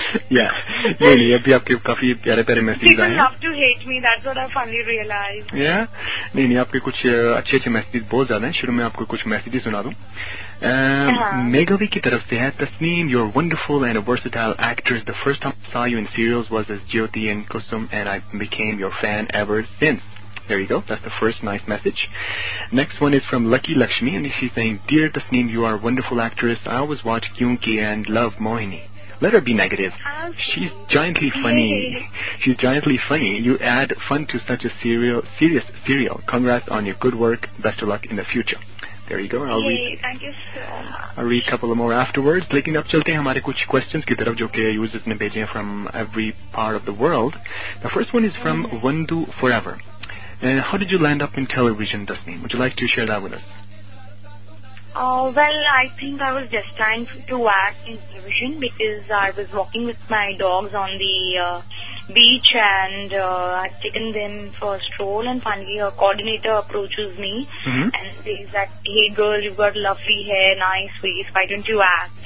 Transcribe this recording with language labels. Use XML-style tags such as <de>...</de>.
<en>Yeah, really,</en> <hi>अभी आपके काफी प्यारे मैसेज आए हैं.</hi> <en>People love to hate me, that's what I finally realized. Yeah,</en> <hi>नहीं, आपके कुछ अच्छे मैसेज बहुत ज्यादा हैं. शुरू में आपको कुछ मैसेज सुना दूं.</hi> <en>Megavi</en> <hi>की तरफ से है,</hi> <en>Tasneem, you're a wonderful and a versatile actress. The first time I saw you in serials was as Jyoti and Kusum, and I became your fan ever since. There you go. That's the first nice message. Next one is from Lucky Lakshmi, and she's saying, dear Tasneem, you are a wonderful actress. I always watch Kyunki and love Mohini. Let her be negative. She's giantly funny. She's giantly funny. You add fun to such a serious serial. Congrats on your good work. Best of luck in the future. There you go. I'll read. Thank you so much. I'll read a couple of more afterwards.</en> <hi>लेकिन अब चलते हैं हमारे कुछ questions की तरफ जो के users ने भेजे हैं</hi> <en>from every part of the world. The first one is from Wandu Forever. And how did you land up in television, Tasneem? Would you like to share that with us? Well, I think I was destined to act in television because I was walking with my dogs on the beach and I'd taken them for a stroll, and finally a coordinator approaches me and says that, hey girl, you've got lovely hair, nice face, why don't you act?</en>